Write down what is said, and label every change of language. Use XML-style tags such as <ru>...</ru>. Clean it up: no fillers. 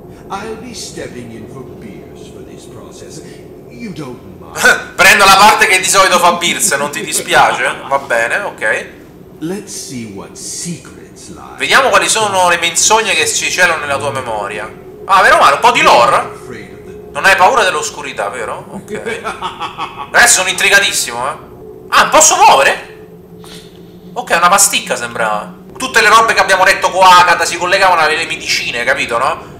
<en>I'll be stepping in for Beers for this process. You don't mind.</en> <it>Prendo la parte che di solito fa Beers, non ti dispiace? Va bene, ok.</it> <en>Let's see what secrets lie.</en> <it>Vediamo quali sono le menzogne che ci celano nella tua memoria. Ah, vero male, un po' di lore. Non hai paura dell'oscurità, vero? Ok. Adesso sono intrigatissimo, eh. Ah, posso muovere? Ok, una pasticca sembrava. Tutte le robe che abbiamo letto qua, Agatha, si collegavano alle medicine, capito, no?</it>